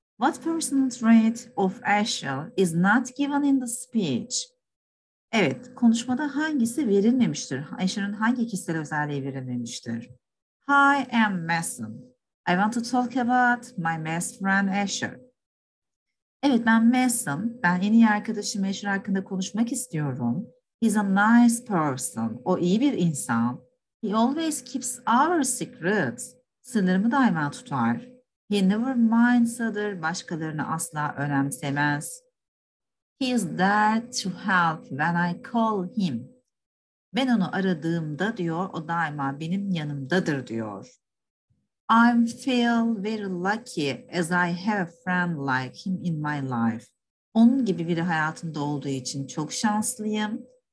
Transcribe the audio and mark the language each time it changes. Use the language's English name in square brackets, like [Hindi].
[English] What personal trait of Ashley is not given in the speech? [Turkish] Evet. Konuşmada hangisi verilmemiştir? Ashley'ın hangi kişisel özelliği verilmemiştir? [English] Hi, I'm Mason. I want to talk about my best friend Ashley. [Turkish] Evet, ben Mason. Ben en iyi arkadaşım Asher hakkında konuşmak istiyorum. [English] He's a nice person. [Turkish] O iyi bir insan. [English] He always keeps our secrets. [Turkish] Sırlarımı daima tutar. [English] He never minds other. [Turkish] Başkalarını asla önemsemez. [English] He is there to help when I call him. [Turkish] Ben onu aradığımda diyor, o daima benim yanımdadır diyor. [English] I feel very lucky as I have a friend like him in my life. [Turkish] Onun gibi biri hayatımda olduğu için çok şanslıyım.